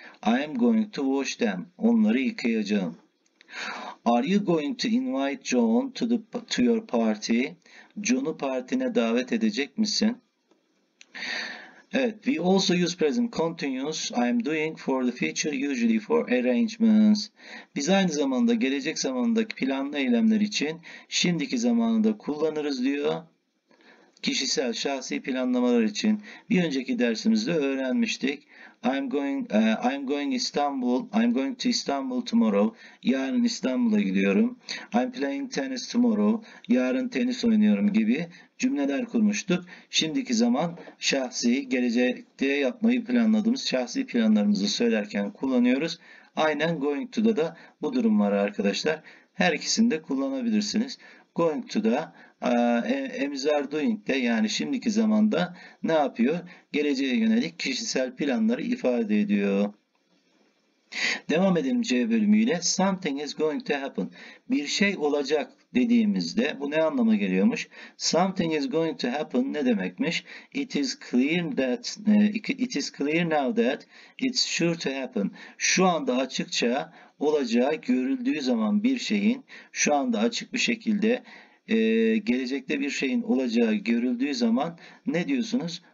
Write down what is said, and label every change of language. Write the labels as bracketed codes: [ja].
[en] I am going to wash them. [tr] Onları yıkayacağım. [en] Are you going to invite John to your party? [tr] John'u partine davet edecek misin? Evet, [en] we also use present continuous. I am doing for the future, usually for arrangements. [tr] Biz aynı zamanda gelecek zamandaki planlı eylemler için şimdiki zamanında kullanırız diyor. Kişisel, şahsi planlamalar için bir önceki dersimizde öğrenmiştik. [en] I'm going to Istanbul tomorrow. [tr] Yarın İstanbul'a gidiyorum. [en] I'm playing tennis tomorrow. [tr] Yarın tenis oynuyorum gibi cümleler kurmuştuk. Şimdiki zaman şahsi, gelecekte yapmayı planladığımız şahsi planlarımızı söylerken kullanıyoruz. Aynen going to'da da bu durum var arkadaşlar. Her ikisini de kullanabilirsiniz. Going to da, ams are doing de, yani şimdiki zamanda ne yapıyor? Geleceğe yönelik kişisel planları ifade ediyor. Devam edelim C bölümüyle. [en] Something is going to happen. [tr] Bir şey olacak dediğimizde bu ne anlama geliyormuş? [en] Something is going to happen [tr] ne demekmiş? [en] It is clear now that it's sure to happen. [tr] Şu anda açıkça olacağı görüldüğü zaman bir şeyin şu anda açık bir şekilde gelecekte bir şeyin olacağı görüldüğü zaman ne diyorsunuz?